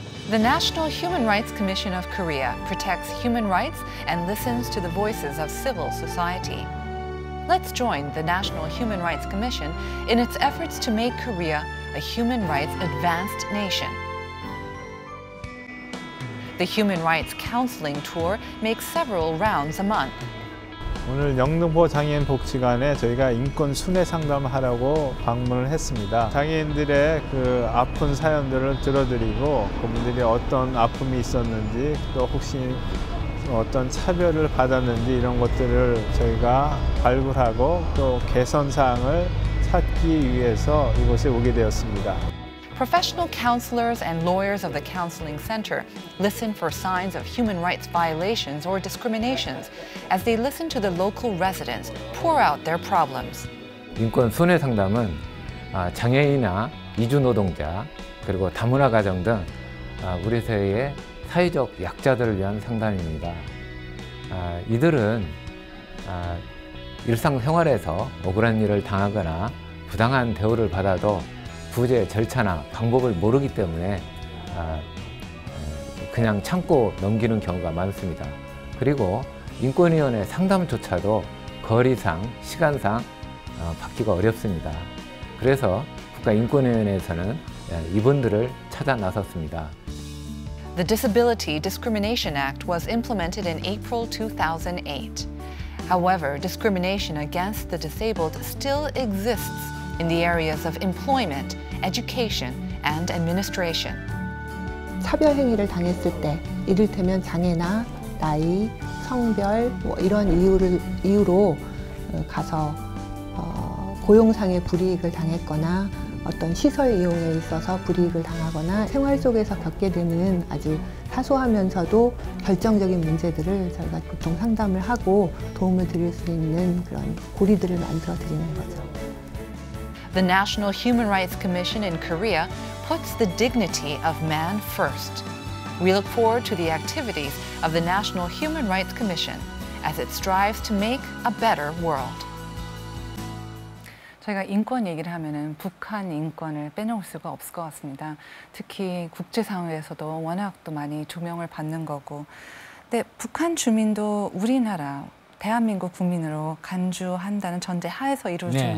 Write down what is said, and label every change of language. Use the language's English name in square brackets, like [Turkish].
[English] The National Human Rights Commission of Korea protects human rights and listens to the voices of civil society. Let's join the National Human Rights Commission in its efforts to make Korea a human rights advanced nation. The Human Rights Counseling Tour makes several rounds a month. [Korean] 오늘 영등포 장애인 복지관에 저희가 인권 순회 상담을 하려고 방문을 했습니다. 장애인들의 그 아픈 사연들을 들어드리고 그분들이 어떤 아픔이 있었는지 또 혹시 어떤 차별을 받았는지 이런 것들을 저희가 발굴하고 또 개선사항을 찾기 위해서 이곳에 오게 되었습니다. [English] Professional counselors and lawyers of the counseling center listen for signs of human rights violations or discriminations as they listen to the local residents pour out their problems. [Korean] 인권 순회 상담은 장애인이나 이주 노동자 그리고 다문화 가정 등 우리 사회의 사회적 약자들을 위한 상담입니다. 이들은 일상생활에서 억울한 일을 당하거나 부당한 대우를 받아도 구제 절차나 방법을 모르기 때문에 그냥 참고 넘기는 경우가 많습니다. 그리고 인권위원회 상담조차도 거리상, 시간상 받기가 어렵습니다. 그래서 국가인권위원회에서는 이분들을 찾아 나섰습니다. [English] The Disability Discrimination Act was implemented in April 2008. However, discrimination against the disabled still exists in the areas of employment, education, and administration. [Korean] 차별 행위를 당했을 때, 이를테면 장애나 나이, 성별 뭐 이런 이유로 가서 고용상의 불이익을 당했거나 어떤 시설 이용에 있어서 불이익을 당하거나 생활 속에서 겪게 되는 아주 사소하면서도 결정적인 문제들을 저희가 보통 상담을 하고 도움을 드릴 수 있는 그런 고리들을 만들어 드리는 거죠. [English] The National Human Rights Commission in Korea puts the dignity of man first. We look forward to the activities of the National Human Rights Commission as it strives to make a better world. [Korean] 저희가 인권 얘기를 하면은 북한 인권을 빼놓을 수가 없을 것 같습니다. 특히 국제 사회에서도 워낙 또 많이 조명을 받는 거고. 근데 북한 주민도 우리나라 대한민국 국민으로 간주한다는 전제 하에서 이루어진 네.